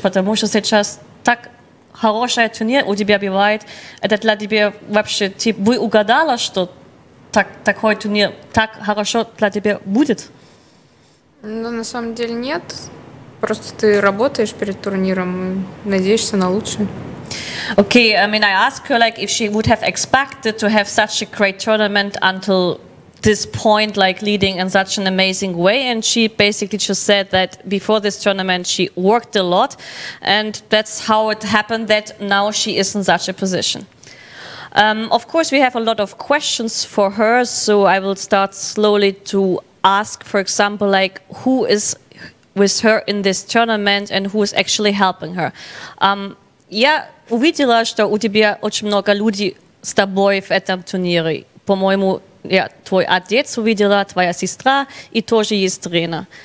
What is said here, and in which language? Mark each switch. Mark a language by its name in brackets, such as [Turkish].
[Russian] Потому что сейчас так хорошая турнир у тебя бывает. Это для тебя вообще, типа, вы угадала, что такой турнир так хорошо для тебя будет? Ну, на самом деле нет. Просто ты работаешь перед турниром и надеешься на лучшее. [English] Okay, I mean, I asked her, like, if she would have expected to have such a great tournament until this point, like, leading in such an amazing way, and she basically just said that before this tournament she worked a lot, and that's how it happened that now she is in such a position. Of course, we have a lot of questions for her, so I will start slowly to ask, for example, like, who is with her in this tournament and who is actually helping her? [Russian] Я увидела, что у тебя очень много людей с тобой в этом турнире. По-моему, я твой отец увидела, твоя сестра и тоже есть тренер.